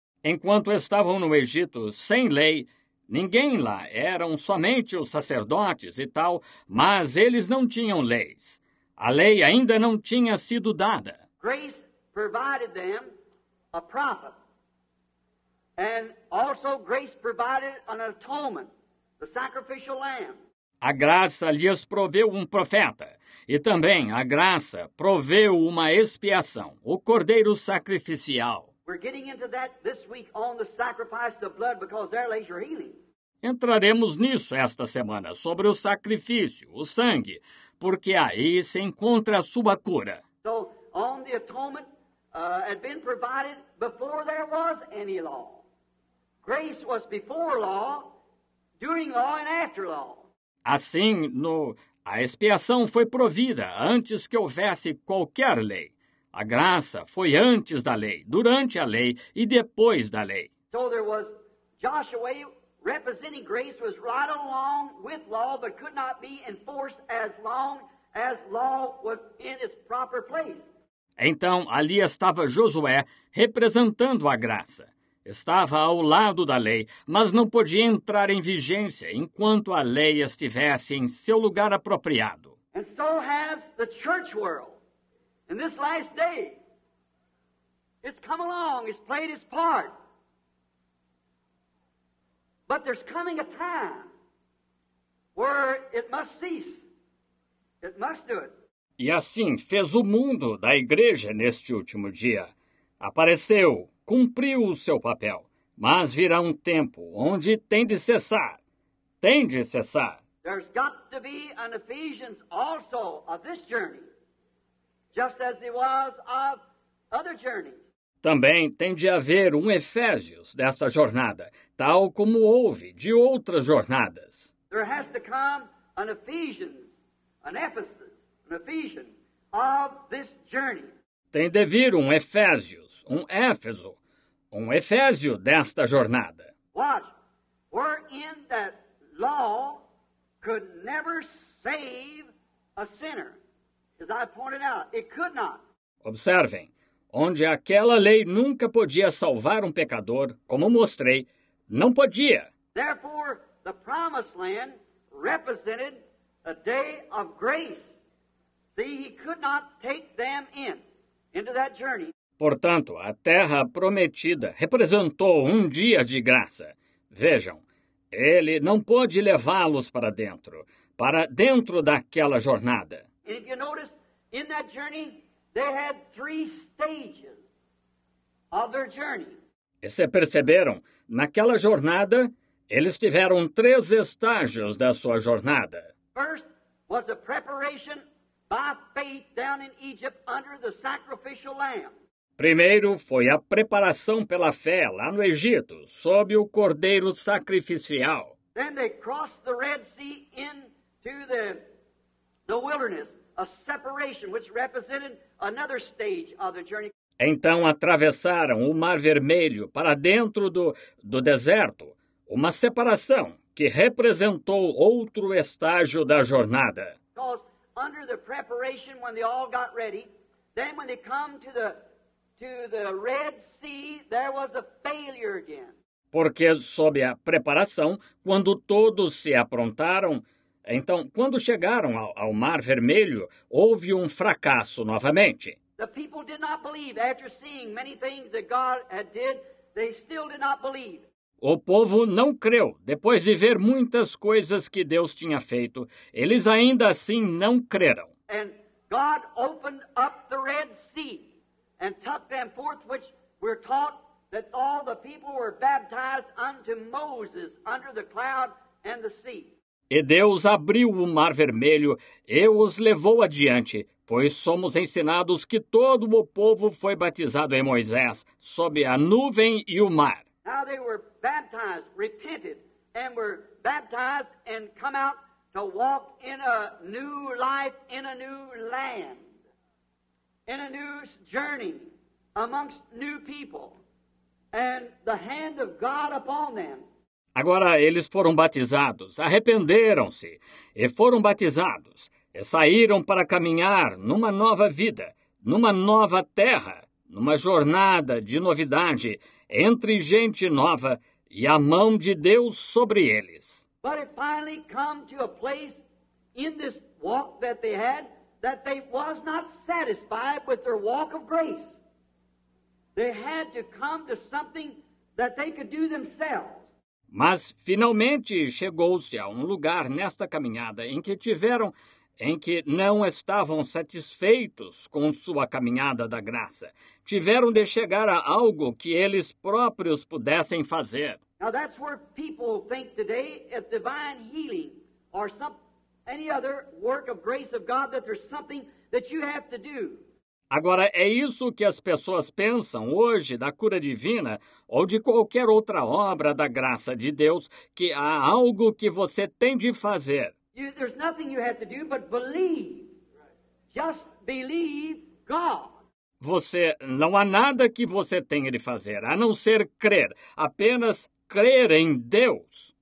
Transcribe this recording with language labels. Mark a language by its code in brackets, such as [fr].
[pt] Enquanto estavam no Egito sem lei, ninguém lá, eram somente os sacerdotes e tal, mas eles não tinham leis. A lei ainda não tinha sido dada. [en] Grace provided them a prophet. And also grace provided an atonement, the sacrificial lamb. [pt] A graça lhes proveu um profeta, e também a graça proveu uma expiação, o cordeiro sacrificial. [en] We're getting into that this week on the sacrifice of blood because there lays your healing. [pt] Entraremos nisso esta semana, sobre o sacrifício, o sangue, porque aí se encontra a sua cura. [en] So, on the atonement had been provided before there was any law. Grace was before law, during law and after law. [pt] Assim, a expiação foi provida antes que houvesse qualquer lei. A graça foi antes da lei, durante a lei e depois da lei. [en] So there was Joshua representing grace was right along with law, but could not be enforced as long as law was in its proper place. [pt] Então, ali estava Josué representando a graça. Estava ao lado da lei, mas não podia entrar em vigência enquanto a lei estivesse em seu lugar apropriado. [en] And so has the church world. In this last day, it's come along, it's played its part. But there's coming a time where it must cease. It must do it. [pt] E assim fez o mundo da igreja neste último dia. Apareceu, cumpriu o seu papel. Mas virá um tempo onde tem de cessar. Tem de cessar. [en] There's got to be an Ephesians also of this journey, just as it was of other journeys. [pt] Também tem de haver um Efésios desta jornada, tal como houve de outras jornadas. [en] There has to come an Ephesians, an Ephesus. Of this journey. [pt] Tem de vir um Efésios, um Éfeso, um Efésio desta jornada. [en] What? We're in that law could never save a sinner. As I pointed out, it could not. [pt] Observem, onde aquela lei nunca podia salvar um pecador, como mostrei, não podia. [en] Therefore, the promised land represented a day of grace. See, he could not take them in, into that journey. [pt] Portanto, a terra prometida representou um dia de graça. Vejam, ele não pôde levá-los para dentro daquela jornada. [en] And if you notice, in that journey, they had three stages of their journey. [pt] E se perceberam, naquela jornada, eles tiveram três estágios da sua jornada. [en] First was the preparation by faith down in Egypt under the sacrificial lamb. [pt] Primeiro foi a preparação pela fé lá no Egito, sob o cordeiro sacrificial. [en] Then they crossed the Red Sea into the wilderness, a separation which represented another stage of the journey. [pt] Então atravessaram o Mar Vermelho para dentro do deserto, uma separação que representou outro estágio da jornada. [en] Under the preparation when they all got ready, then when they come to the Red Sea, there was a failure again. [pt] Porque sob a preparação, quando todos se aprontaram, então quando chegaram ao Mar Vermelho, houve um fracasso novamente. [en] The people did not believe after seeing many things that God had did, they still did not believe. [pt] O povo não creu. Depois de ver muitas coisas que Deus tinha feito, eles ainda assim não creram. [en] And God opened up the Red Sea and took them forth, which we're taught that all the people were baptized unto Moses under the cloud and the sea. [pt] E Deus abriu o Mar Vermelho e os levou adiante, pois somos ensinados que todo o povo foi batizado em Moisés, sob a nuvem e o mar. [en] Now they were baptized, repented, and were baptized and come out to walk in a new life, in a new land, in a new journey, amongst new people and the hand of God upon them. [pt] Agora eles foram batizados, arrependeram-se e foram batizados e saíram para caminhar numa nova vida, numa nova terra, numa jornada de novidade entre gente nova e a mão de Deus sobre eles. [en] But it finally come to a place in this walk that they had that they was not satisfied with their walk of grace. They had to come to something that they could do themselves. [pt] Mas finalmente chegou-se a um lugar nesta caminhada em que tiveram, em que não estavam satisfeitos com sua caminhada da graça. Tiveram de chegar a algo que eles próprios pudessem fazer. [en] Now that's where people think today if divine healing or some any other work of grace of God that there's something that you have to do. [pt] Agora, é isso que as pessoas pensam hoje da cura divina ou de qualquer outra obra da graça de Deus, que há algo que você tem de fazer. [en] There's nothing you have to do but believe. Just believe God. [pt] Você, não há nada que você tenha de fazer, a não ser crer, apenas crer em Deus.